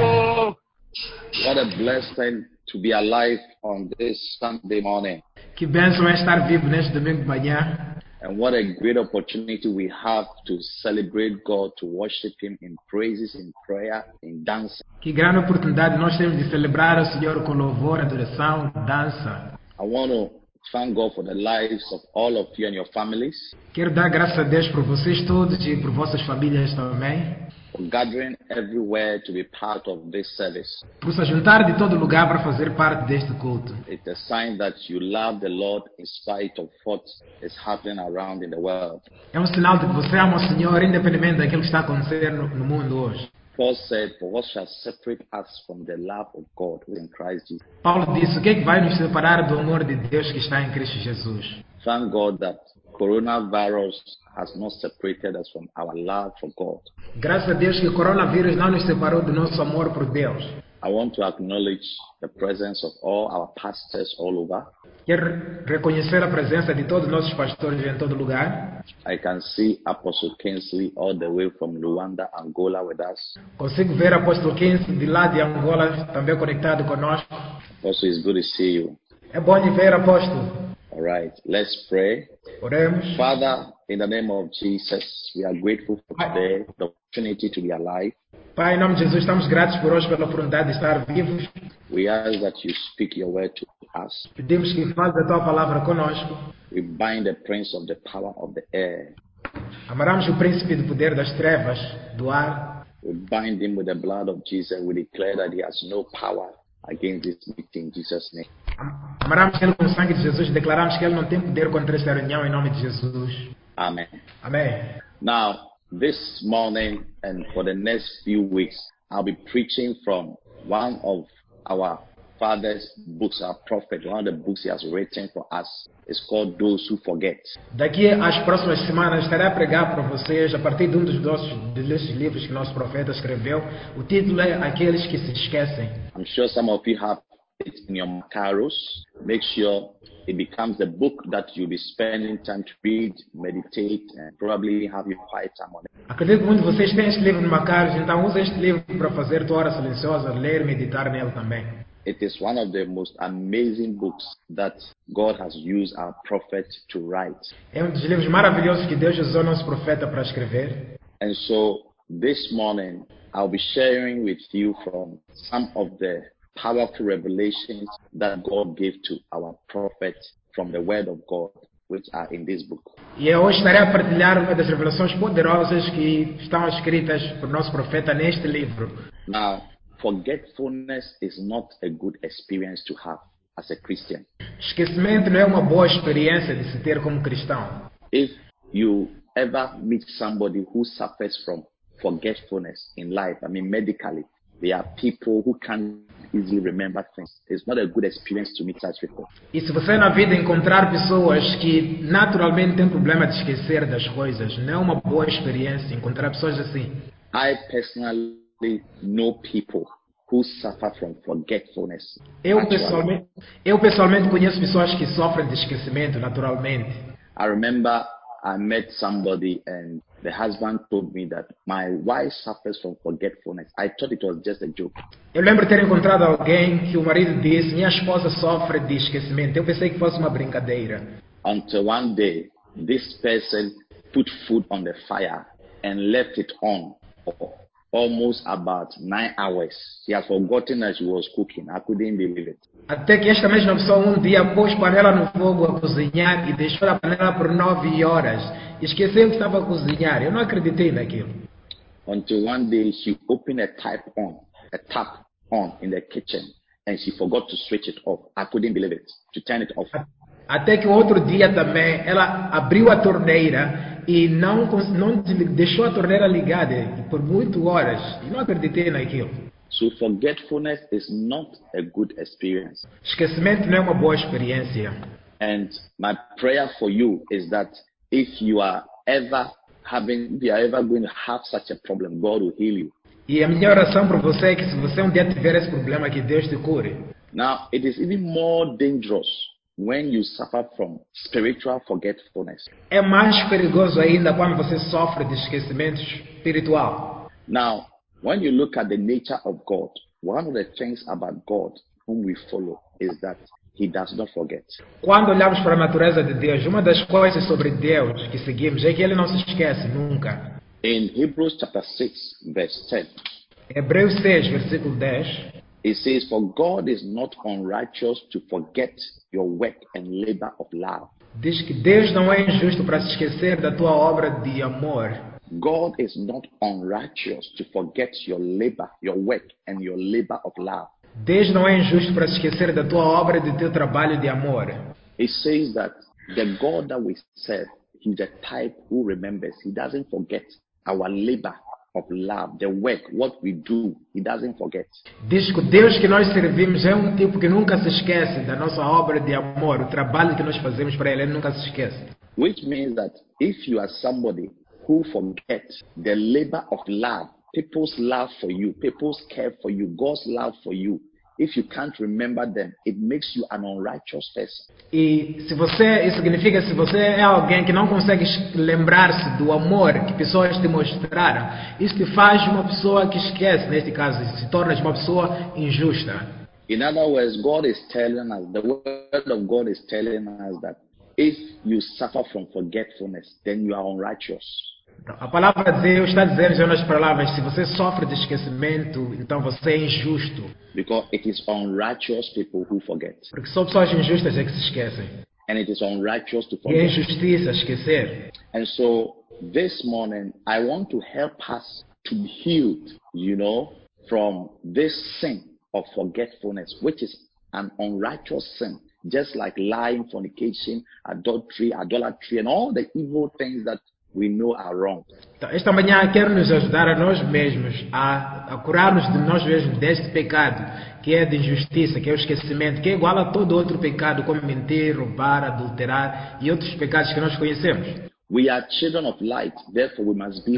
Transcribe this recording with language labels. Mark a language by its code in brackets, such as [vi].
[en] Oh, what a blessing to be alive on this Sunday morning. [pt] Que bênção é estar vivo neste domingo de manhã. [en] And what a great opportunity we have to celebrate God, to worship Him in praises, in prayer, in dancing. [pt] Que grande oportunidade nós temos de celebrar o Senhor com louvor, adoração, dança. [en] I want to thank God for the lives of all of you and your families. [pt] Quero dar graças a Deus por vocês todos e por vossas famílias também. [en] For gathering everywhere to be part of this service. [pt] Por se juntar de todo lugar para fazer parte deste culto. [en] It's a sign that you love the Lord in spite of what is happening around in the world. [pt] É sinal de que você ama o Senhor independente daquilo que está acontecendo no mundo hoje. [en] Paul said, "For what shall separate us from the love of God in Christ Jesus?" [pt] Paulo disse, o que vai nos separar do amor de Deus que está em Cristo Jesus? [en] Thank God that coronavirus has not separated us from our love for God. [pt] Graças a Deus que o coronavírus não nos separou do nosso amor por Deus. [en] I want to acknowledge the presence of all our pastors all over. [pt] Quero reconhecer a presença de todos os nossos pastores em todo lugar. [en] I can see Apostle Kingsley all the way from Luanda, Angola with us. [pt] Consigo ver Apostle Kingsley de lá de Angola também conectado conosco. [en] Apostle, it's good to see you. [pt] É bom de ver, Apostle. [en] All right, let's pray. [pt] Oremos. [en] Father, in the name of Jesus, we are grateful for today, the opportunity to be alive. [pt] Pai, em nome de Jesus, estamos gratos por hoje pela oportunidade de estar vivos. [en] We ask that you speak your word to us. [pt] Pedimos que fale a tua palavra conosco. [en] We bind the prince of the power of the air. [pt] Amarramos o príncipe do poder das trevas, do ar. [en] We bind him with the blood of Jesus. We declare that he has no power against this meeting in Jesus' name. [pt] Amarramos ele com o sangue de Jesus e declaramos que ele não tem poder contra esta reunião em nome de Jesus. Amém. Amém. [en] Now, this morning and for the next few weeks, I'll be preaching from one of our father's books, our prophet, one of the books he has written for us. It's called Those Who Forget. [pt] Daqui às próximas semanas estarei a pregar para vocês a partir de um dos nossos livros que nosso profeta escreveu. O título é Aqueles que se Esquecem. [en] I'm sure some of you have it in your macaros. Make sure it becomes a book that you'll be spending time to read, meditate, and probably have your quiet time on it. [pt] Acredito que muitos de vocês têm este livro no macaros, então use este livro para fazer tua hora silenciosa, ler e meditar nele também. [en] It is one of the most amazing books that God has used our prophet to write. [pt] É dos livros maravilhosos que Deus usou nosso profeta para escrever. [en] And so, this morning, I'll be sharing with you from some of the powerful revelations that God gave to our prophet from the word of God, which are in this book. [pt] E hoje estarei a partilhar uma das revelações poderosas que estão escritas por nosso profeta neste livro. [en] Now, forgetfulness is not a good experience to have as a Christian. [pt] Esquecimento não é uma boa experiência de se ter como cristão. [en] If you ever meet somebody who suffers from forgetfulness in life, I mean medically, there are people who can't easily remember things. It's not a good experience to meet such people. [pt] E se você na vida encontrar pessoas que naturalmente têm problema de esquecer das coisas, não é uma boa experiência encontrar pessoas assim. [en] I personally know people who suffer from forgetfulness. [pt] Eu pessoalmente conheço pessoas que sofrem de esquecimento naturalmente. [en] I remember I met somebody and the husband told me that my wife suffers from forgetfulness. I thought it was just a joke. [pt] Eu lembro ter encontrado alguém que o marido disse, minha esposa sofre de esquecimento. Eu pensei que fosse uma brincadeira. [en] Until one day, this person put food on the fire and left it on. Almost about 9 hours. She had forgotten that she was cooking. I couldn't believe it. [pt] Até que esta mesma pessoa um dia pôs panela no fogo a cozinhar e deixou a panela por 9 horas. Esqueceu que estava a cozinhar. Eu não acreditei naquilo. [en] Until one day she opened a tap on in the kitchen and she forgot to switch it off. I couldn't believe it. To turn it off. [pt] Até que outro dia também ela abriu a torneira e não deixou a torneira ligada por muito horas. E não acreditei naquilo. [en] So forgetfulness is not a good experience. [pt] Esquecimento não é uma boa experiência. [en] And my prayer for you is that if you are ever having, you are ever going to have such a problem, God will heal you. [pt] E a minha oração para você é que se você um dia tiver esse problema, que Deus te cure. [en] Now, it is even more dangerous when you suffer from spiritual forgetfulness. [pt] É mais perigoso ainda quando você sofre de esquecimento espiritual. [en] Now, when you look at the nature of God, one of the things about God whom we follow is that He does not forget. [pt] Quando olhamos para a natureza de Deus, uma das coisas sobre Deus que seguimos é que Ele não se esquece nunca. [en] In Hebrews chapter 6, verse 10, [pt] Hebreus 6, versículo 10, [en] it says, "For God is not unrighteous to forget your work and labor of love." [pt] Diz que Deus não é injusto para se esquecer da tua obra de amor. [en] God is not unrighteous to forget your labor, your work, and your labor of love. [pt] Deus não é injusto para se esquecer da tua obra e do teu trabalho de amor. [en] It says that the God that we serve, He's a type who remembers. He doesn't forget our labor of love, the work, what we do. He doesn't forget. [pt] Diz que Deus que nós servimos é tipo que nunca se esquece da nossa obra de amor, o trabalho que nós fazemos para Ele, Ele nunca se esquece. [en] Which means that if you are somebody who forgets the labor of love, people's love for you, people's care for you, God's love for you, if you can't remember them, it makes you an unrighteous person. [pt] E se você, isso significa, se você é alguém que não consegue lembrar-se do amor que pessoas te mostraram, isso te faz uma pessoa que esquece, neste caso, se torna uma pessoa injusta. [en] In other words, God is telling us, the word of God is telling us that if you suffer from forgetfulness, then you are unrighteous. [pt] A palavra de Deus está dizendo nas palavras, se você sofre de esquecimento, então você é injusto. [en] Because it is unrighteous people who forget. [pt] Porque são pessoas injustas é que se esquecem. [en] And it is unrighteous to forget. [pt] E é injustiça esquecer. [en] And so this morning I want to help us to be healed, you know, from this sin of forgetfulness, which is an unrighteous sin. Just like lying, fornication, adultery, idolatry, and all the evil things that we know are wrong. [pt] Então, esta manhã quero nos ajudar a nós mesmos a curarmos de nós mesmos deste pecado, que é de injustiça, que é o esquecimento, que é igual a todo outro pecado, como mentir, roubar, adulterar e outros pecados que nós conhecemos. [en] We are children of light, therefore we must be.